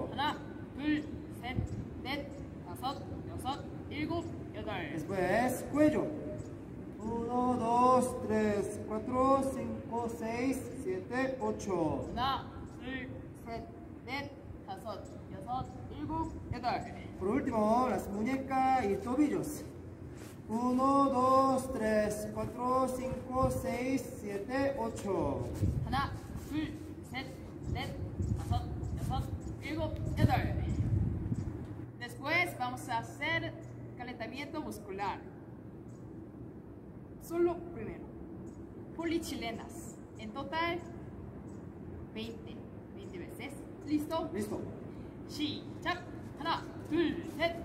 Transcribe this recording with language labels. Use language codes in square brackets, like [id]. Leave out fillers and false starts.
[ko] 하나, 둘, 셋, 넷, 다섯, 여섯, 일곱, 여덟. [es] Después, cuello. 1, 2, 3, 4, 5, 6, 7, 8. [ko] 하나, 둘, 셋, 넷, 다섯, 여섯, 일곱, 여덟. [es] Por último, las muñecas y tobillos. 1, 2, 3, 4, 5, 6, 7, 8. [ko] 하나, 둘, 셋, 넷, 다섯, 여섯, 일곱, 여덟. [es] Después vamos a hacer calentamiento muscular. Solo primero, polichilenas, en total 20 veces. ¿Listo? Listo. Sí, chac. [ko] 하나, 둘, 셋.